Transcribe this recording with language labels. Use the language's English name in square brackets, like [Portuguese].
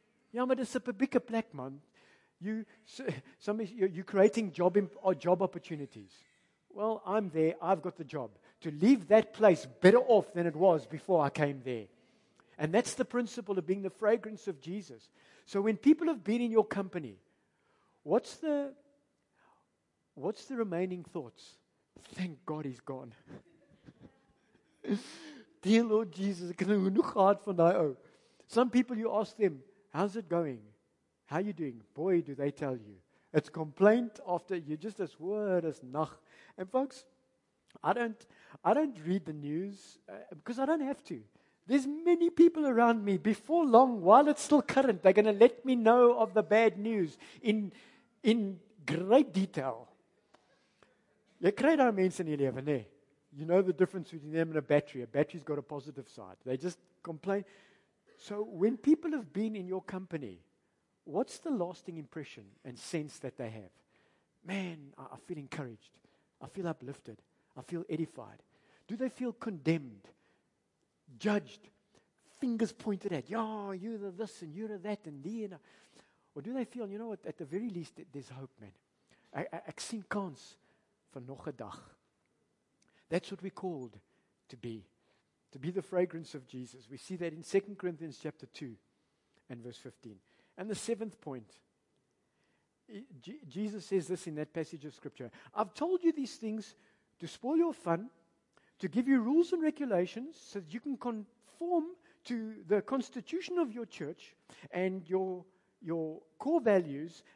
[Afrikaans] Ja, maar dis 'n publieke plek, man. [English] You're creating job opportunities. Well, I'm there. I've got the job. To leave that place better off than it was before I came there. And that's the principle of being the fragrance of Jesus. So when people have been in your company, what's the remaining thoughts? Thank God he's gone. Dear Lord Jesus, [Afrikaans] ek het genoeg gehad van daai ou. [English] Some people, you ask them, how's it going? How are you doing? Boy, do they tell you. It's complaint after you just as word as nach. And folks, I don't read the news because I don't have to. There's many people around me. Before long, while it's still current, they're going to let me know of the bad news in great detail. [Afrikaans] Jy kry daai mense in die lewe, nê? [English] You know the difference between them and a battery. A battery's got a positive side. They just complain. So when people have been in your company, what's the lasting impression and sense that they have? Man, I feel encouraged. I feel uplifted. I feel edified. Do they feel condemned? Judged? Fingers pointed at? Yeah, you're the this and you're the that and the and. Or do they feel, you know what, at the very least, there's hope, man. [Afrikaans] Ek sien kans vir nog 'n dag. [English] That's what we're called to be the fragrance of Jesus. We see that in 2 Corinthians chapter 2 and verse 15. And the seventh point, Jesus says this in that passage of Scripture. I've told you these things to spoil your fun, to give you rules and regulations so that you can conform to the constitution of your church and your core values.